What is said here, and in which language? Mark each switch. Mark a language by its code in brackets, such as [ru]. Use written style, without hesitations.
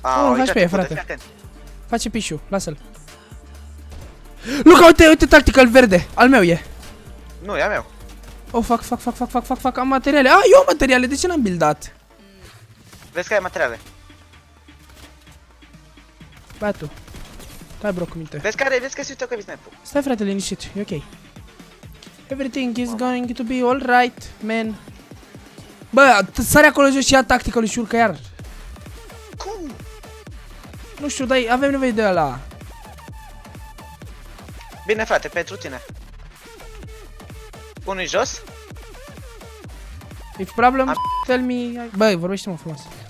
[ro] Un HP, frate. Face pișu, lasă-l. Luca, uite tactical verde, al meu e. Nu, e al meu. Oh, fac, am materiale. Ah, eu am materiale, de ce n-am buildat? Vezi că ai materiale. Băiatu. Stai bro, cu minte. Vezi că are, vezi că se uită cu snap-ul. Stai frate, liniștit, e ok. [en] Everything is going to be alright, man. [ro] Bă, sare acolo jos și ia tactica lui și urcă iar. Cum? Nu știu, dar avem nevoie de ăla. Bine frate, pentru tine. Unu-i jos. [en] If problem, tell me. [ro] Bă, vorbește-mă frumos.